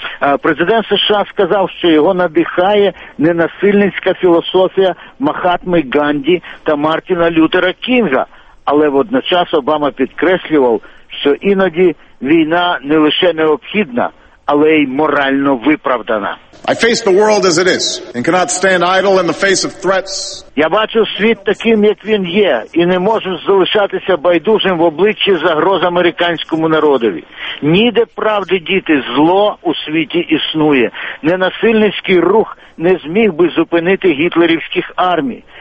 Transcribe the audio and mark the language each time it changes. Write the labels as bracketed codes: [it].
[uk] Президент США сказав, що його надихає ненасильницька філософія Махатми Ганді та Мартіна Лютера Кінга. Але водночас Обама підкреслював, що іноді війна не лише необхідна, але й морально виправдана. [en] I face the world as it is and cannot stand idle in the face of threats. [uk] Я бачу світ таким, як він є, і не можу залишатися байдужим в обличчі загроз американському народові. Ніде правди, діти, зло у світі існує. Ненасильницький рух не зміг би зупинити гітлерівських армій.